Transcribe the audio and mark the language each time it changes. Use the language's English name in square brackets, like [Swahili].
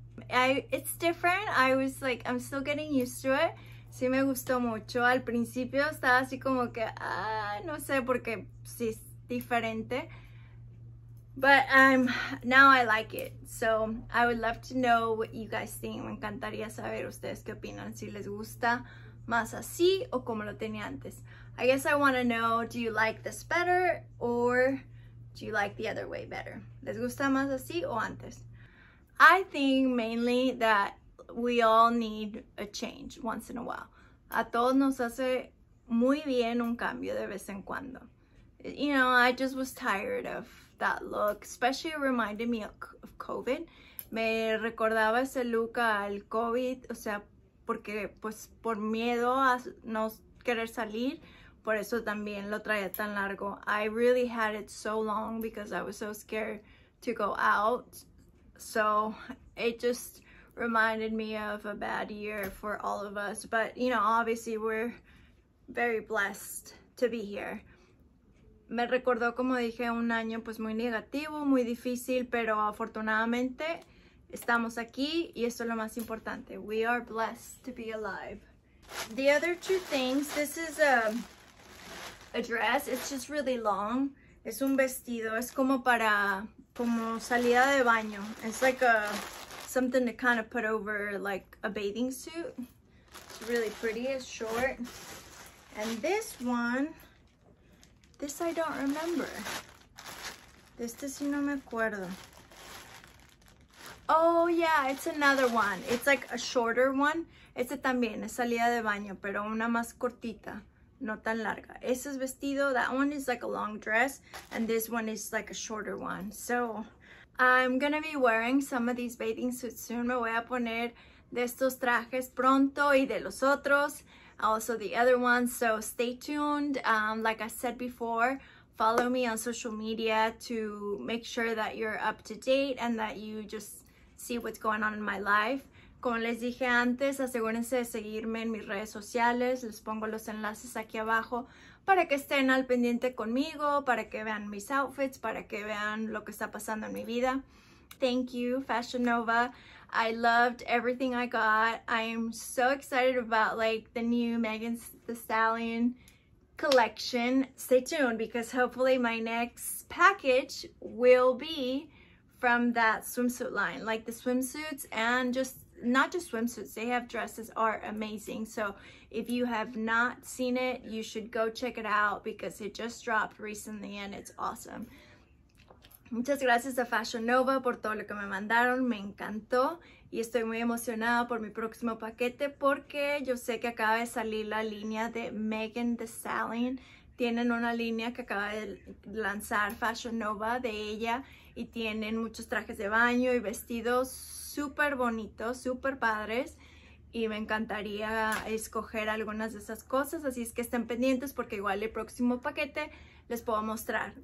[English] It's different. I was like, I'm still getting used to it. [Spanish] Sí me gustó mucho. Al principio estaba así como que, no sé, porque sí es diferente. [English] But now I like it. So I would love to know what you guys think. [Spanish] Me encantaría saber ustedes qué opinan, si les gusta más así o como lo tenía antes. [English] I guess I want to know, do you like this better or do you like the other way better? [Spanish] ¿Les gusta más así o antes? [English] I think mainly that we all need a change once in a while. [Spanish] A todos nos hace muy bien un cambio de vez en cuando. [English] You know, I just was tired of that look, especially it reminded me of COVID. [Spanish] Me recordaba ese look al COVID, o sea, porque pues por miedo a no querer salir, por eso también lo traía tan largo. [English] I really had it so long because I was so scared to go out. So it just reminded me of a bad year for all of us. But, you know, obviously we're very blessed to be here. [Spanish] Me recordó, como dije, un año pues muy negativo, muy difícil, pero afortunadamente estamos aquí y eso es lo más importante. [English] We are blessed to be alive. The other two things, this is a dress. It's just really long. [Spanish] Es un vestido. Es como para, como salida de baño. [English] It's like a, something to kind of put over like a bathing suit. It's really pretty. It's short. And this one, this I don't remember. [Spanish] Este sí no me acuerdo. [English] Oh yeah, it's another one. It's like a shorter one. [Spanish] Este también es salida de baño, pero una más cortita, no tan larga. Ese es vestido. [English] That one is like a long dress, and this one is like a shorter one. So I'm gonna be wearing some of these bathing suits soon. [Spanish] Me voy a poner de estos trajes pronto y de los otros. [English] Also the other one, so stay tuned. Like I said before, follow me on social media to make sure that you're up to date and that you just see what's going on in my life. [Spanish] Como les dije antes, asegúrense de seguirme en mis redes sociales. Les pongo los enlaces aquí abajo para que estén al pendiente conmigo, para que vean mis outfits, para que vean lo que está pasando en mi vida. [English] Thank you, Fashion Nova. I loved everything I got. I am so excited about like the new Megan Thee Stallion collection. Stay tuned because hopefully my next package will be from that swimsuit line. Like the swimsuits and just not just swimsuits, they have dresses are amazing. So if you have not seen it, you should go check it out because it just dropped recently and it's awesome. [Spanish] Muchas gracias a Fashion Nova por todo lo que me mandaron, me encantó y estoy muy emocionada por mi próximo paquete porque yo sé que acaba de salir la línea de Megan Thee Stallion. Tienen una línea que acaba de lanzar Fashion Nova de ella y tienen muchos trajes de baño y vestidos súper bonitos, súper padres y me encantaría escoger algunas de esas cosas, así es que estén pendientes porque igual el próximo paquete les puedo mostrar.